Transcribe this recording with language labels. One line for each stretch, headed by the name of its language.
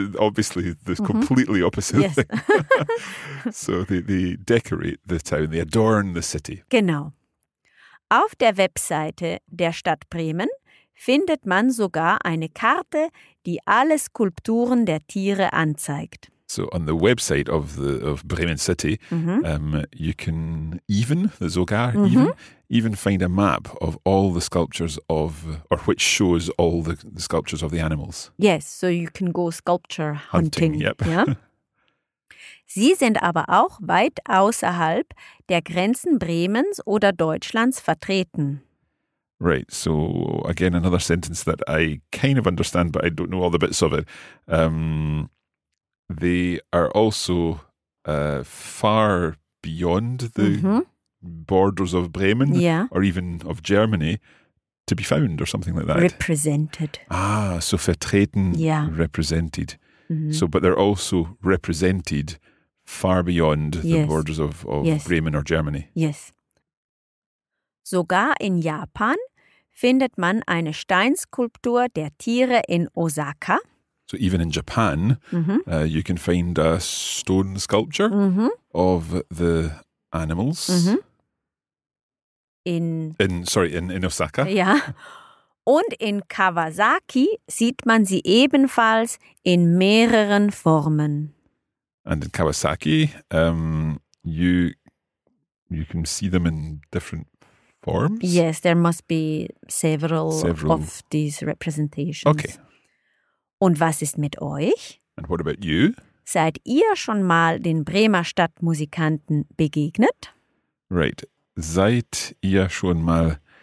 English: Obviously, the completely opposite thing. So they decorate the town, they adorn the city.
German: Genau. Auf der Webseite der Stadt Bremen findet man sogar eine Karte, die alle Skulpturen der Tiere anzeigt.
English: So on the website of the of Bremen City, you can even even find a map of all the sculptures of or which shows all the sculptures of the animals. Yes, so you can go sculpture hunting. Yep.
German: Sie sind aber auch weit außerhalb der Grenzen Bremens oder Deutschlands vertreten.
English: Right, so again, another sentence that I kind of understand, but I don't know all the bits of it. They are also far beyond the borders of Bremen or even of Germany to be found or something like that. Represented. Ah, so vertreten, represented. Mm-hmm. So, but they're also represented far beyond the borders of Bremen or Germany. Yes.
German: Sogar in Japan findet man eine Steinskulptur der Tiere in Osaka.
English: So even in Japan, you can find a stone sculpture of the animals. In Osaka.
German: Ja. Und in Kawasaki sieht man sie ebenfalls in mehreren Formen.
English: And in Kawasaki, you can see them in different forms? Yes, there must be several of these representations. Okay.
German: Und was ist mit euch?
English: And what about you?
German: Seid ihr schon mal den Bremer Stadtmusikanten begegnet? Right. Seid ihr schon mal